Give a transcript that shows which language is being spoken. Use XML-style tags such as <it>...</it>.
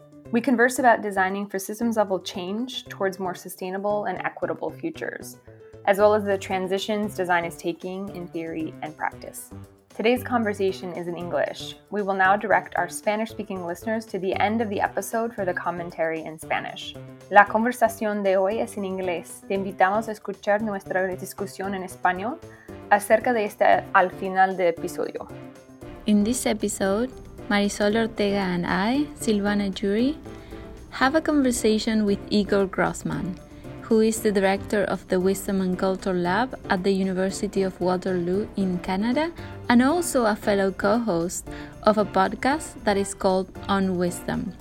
<en>We converse about designing for systems-level change towards more sustainable and equitable futures, as well as the transitions design is taking in theory and practice. Today's conversation is in English. We will now direct our Spanish-speaking listeners to the end of the episode for the commentary in Spanish.</en> <es>La conversación de hoy es en inglés. Te invitamos a escuchar nuestra discusión en español acerca de este al final del episodio.</es> <en>In this episode, Marisol Ortega and I, Silvana Jury, have a conversation with Igor Grossman, who is the director of the Wisdom and Culture Lab at the University of Waterloo in Canada, and also a fellow co-host of a podcast that is called On Wisdom.</en>